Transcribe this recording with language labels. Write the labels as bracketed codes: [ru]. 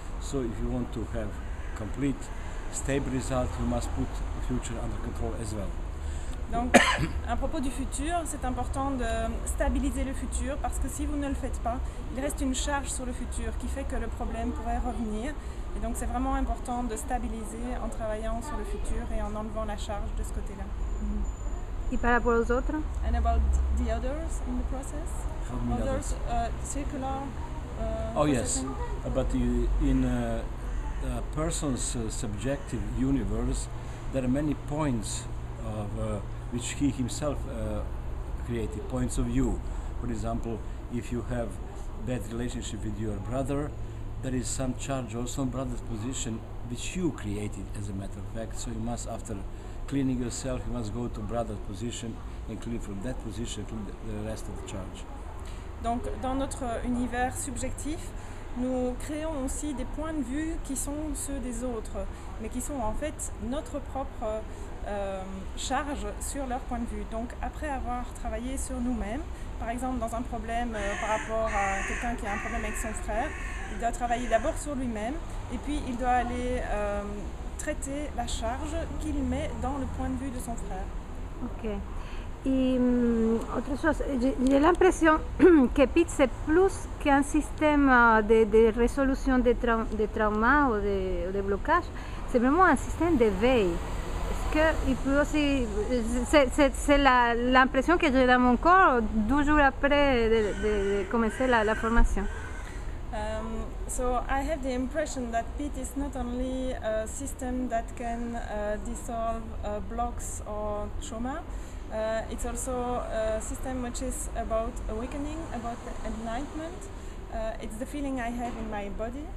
[en] So if you want to have complete stable result, you must put the future under control as well. [fr] Donc, à propos du futur, c'est important de stabiliser le futur, parce que si vous ne le faites pas, il reste une charge sur le futur qui fait que le problème pourrait revenir. Et donc, c'est vraiment important de stabiliser en travaillant sur le futur et en enlevant la charge de ce côté-là. Et par rapport aux autres? [en] And about the others in the process? Others, circular processing? Yes, but in a person's subjective universe, there are many points of which he himself created, points of view. For example, if you have bad relationship with your brother, there is some charge also on brother's position which you created, as a matter of fact. So you must, after cleaning yourself, you must go to brother's position and clean from that position to the rest of the charge. [fr] Donc, dans notre univers subjectif, nous créons aussi des points de vue qui sont ceux des autres, mais qui sont en fait notre propre charge sur leur point de vue. Donc, après avoir travaillé sur nous-mêmes, par exemple dans un problème par rapport à quelqu'un qui a un problème avec son frère, il doit travailler d'abord sur lui-même et puis il doit aller traiter la charge qu'il met dans le point de vue de son frère. Ok. Et autre chose, j'ai l'impression que PEAT, c'est plus qu'un système de résolution de traumas ou de blocages, c'est vraiment un système d'éveil. Il peut aussi, c'est l'impression que j'ai dans mon corps 2 jours après de commencer la formation. [en] So I have the impression that PEAT is not only a system that can dissolve blocks or trauma, it's also a system which is about awakening, about enlightenment. It's the feeling I have in my body.